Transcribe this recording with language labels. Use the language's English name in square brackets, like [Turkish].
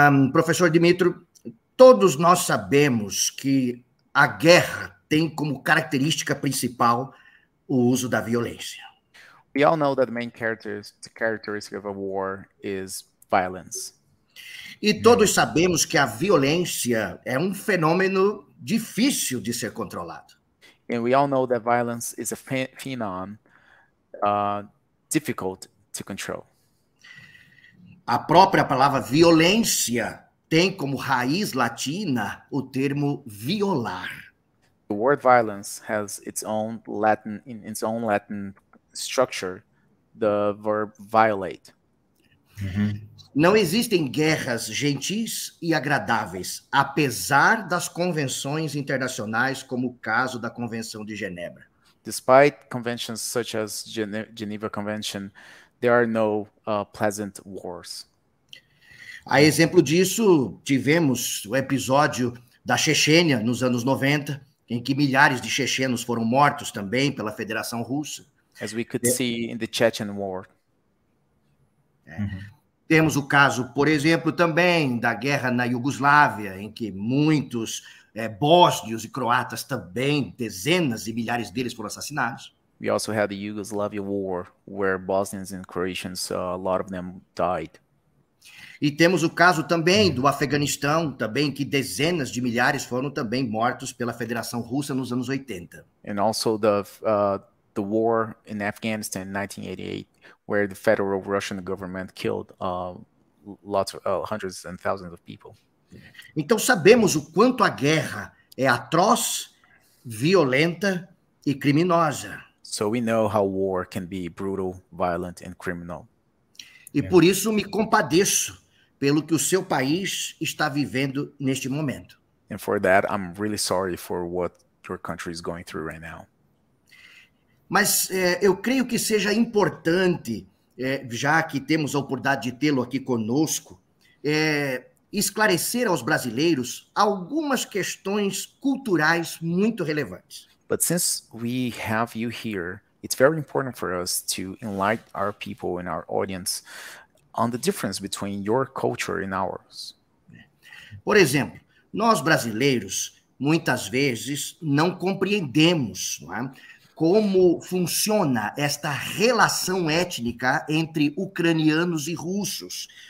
[Portuguese] Professor Dmytro, todos nós sabemos que a guerra tem como característica principal o uso da violência. [English] We all know that the main characteristic of a war is violence. [Portuguese] E todos sabemos que a violência é fenômeno difícil de ser controlado. [English] And we all know that violence is a phenomenon difficult to control. [Portuguese] A própria palavra violência tem como raiz latina o termo violar. [English] The word violence has its own Latin, in its own Latin structure, the verb violate. [Portuguese] Não existem guerras gentis e agradáveis, apesar das convenções internacionais, como o caso da Convenção de Genebra. [English] Despite conventions such as Geneva Convention, there are no pleasant wars. [Portuguese] A exemplo disso, tivemos o episódio da Chechênia nos anos 90, em que milhares de chechenos foram mortos também pela Federação Russa. [English] As we could see in the Chechen War. [Portuguese] Temos o caso, por exemplo, também da guerra na Iugoslávia, em que muitos bósnios e croatas também, dezenas de milhares deles foram assassinados. [English] We also had the Yugoslavia War, where Bosnians and Croatians, a lot of them died. [Portuguese] E temos o caso também do Afeganistão, também que dezenas de milhares foram também mortos pela Federação Russa nos anos 80. [English] And also the war in Afghanistan in 1988, where the Federal Russian government killed hundreds and thousands of people. [Portuguese] Então sabemos o quanto a guerra é atroz, violenta e criminosa. [English] So we know how war can be brutal, violent and criminal. [Portuguese] E por isso me compadeço pelo que o seu país está vivendo neste momento. [English] And for that, I'm really sorry for what your country is going through right now. [Portuguese] Mas eu creio que seja importante, já que temos a oportunidade de tê-lo aqui conosco, esclarecer aos brasileiros algumas questões culturais muito relevantes. [English] But since we have you here, it's very important for us to enlighten our people and our audience on the difference between your culture and ours. [Portuguese] Por exemplo, nós brasileiros muitas vezes não compreendemos, como funciona esta relação étnica entre ucranianos e russos.